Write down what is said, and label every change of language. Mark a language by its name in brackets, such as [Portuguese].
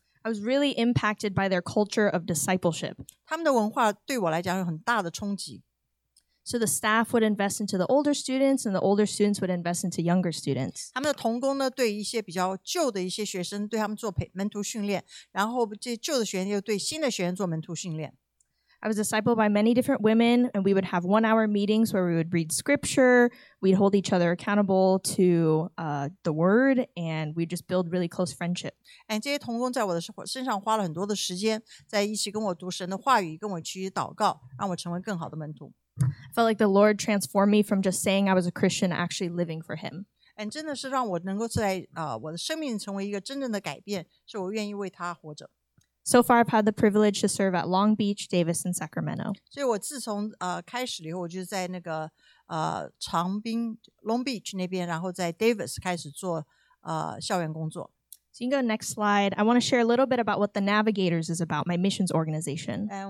[English] I was really impacted by their culture of discipleship. [Chinese] 他们的文化对我来讲有很大的冲击。 [English] So the staff would invest into the older students, and the older students would invest into younger students. [Chinese] 他们的同工呢，对一些比较旧的一些学生，对他们做门徒训练，然后这旧的学员又对新的学员做门徒训练。 [English] I was discipled by many different women, and we would have one-hour meetings where we would read scripture, we'd hold each other accountable to the word, and we'd just build really close friendship. And [Chinese] 这些同工在我的身上花了很多的时间，在一起跟我读神的话语，跟我去祷告，让我成为更好的门徒。 [English] I felt like the Lord transformed me from just saying I was a Christian to actually living for Him. And [Chinese] 真的是让我能够在我的生命成为一个真正的改变，是我愿意为他活着。 [English] So far, I've had the privilege to serve at Long Beach, Davis, and Sacramento. [Chinese] 所以我自从开始以后，我就在那个长滨 Long Beach 那边，然后在 Davis 开始做校园工作。 [English] So you can go to the next slide. I want to share a little bit about what the Navigators is about, my missions organization.